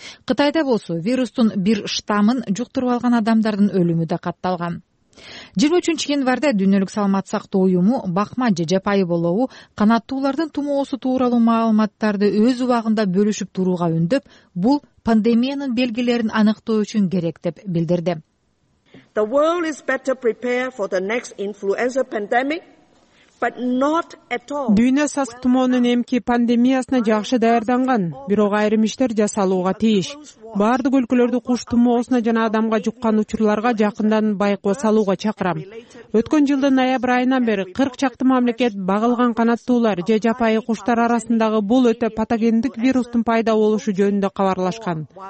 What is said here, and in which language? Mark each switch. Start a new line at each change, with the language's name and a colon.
Kyrgyz: Кытайда болсо вирустун бир штаммын жуктуруп алган адамдардын өлүмү да катталган. 23-январда дүйнөлүк саламат сактоо уюму бакма же жапайы болобу канаттуулардын тумоосу тууралуу маалыматтарды өз убагында бөлүшүп турууга үндөп, бул пандемиянын белгилерин аныктоо үчүн керек деп билдирди.
English: The world is better prepared for the next influenza pandemic.
Kyrgyz: Дүйнө сасык тумоонун эмки пандемиясына жакшы даярданган, бирок айрым иштер жасалууга тийиш. Баардык өлкөлөрдү куш тумоосуна жана адамга жуккан учурларга жакындан байкоо салууга чакырам. Өткөн жылдын ноябрь айынан бери 40 чакты мамлекет багылган канаттуулар же жапайы куштар арасындагы бул өтө патогендик вирустун пайда болушу жөнүндө кабарлашкан.